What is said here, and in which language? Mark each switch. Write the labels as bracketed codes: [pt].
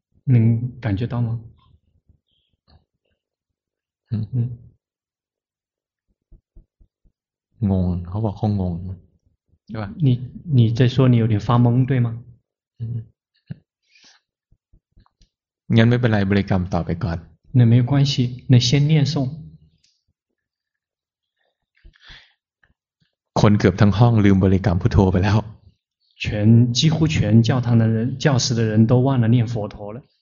[th] หนึ่งรู้สึกได้ไหมอื มงงเขาบอกเขางงใช่ป่ะ [zh] 你在说你有点发懵对吗 [th] งั้นไม่เป็นไรบริกรรมต่อไปก่อน [zh] 那没关系那先念诵 [th] คนเกือบทั้งห้องลืมบริกรรมพุทโธไปแล้ว [zh] 全几乎全教堂的人教室的人都忘了念佛陀了